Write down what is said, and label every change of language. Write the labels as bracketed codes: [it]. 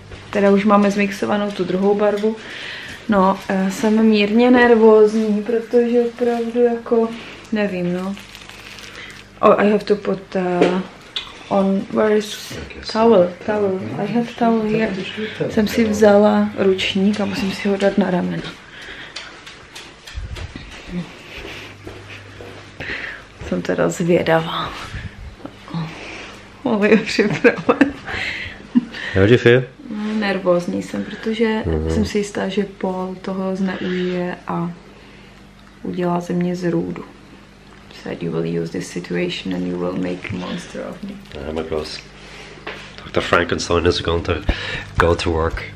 [cs] Teda už máme zmixovanou tu druhou barvu. No, jsem mírně nervózní, protože opravdu jako, nevím, no. [en] Oh, I have to put on, where is towel, I have towel here. [cs] Jsem si vzala ručník a musím si ho dát na ramena. Jsem teda zvědavá. Mohu je připravit. [en] How do you feel? [cs] Nervózní jsem, protože jsem si jistá, že Paul toho zneužije a udělá ze mě zrůdu. [en] Said you will use this situation and you will make a monster of me. Oh my gosh. Dr. Frankenstein is going to go to work.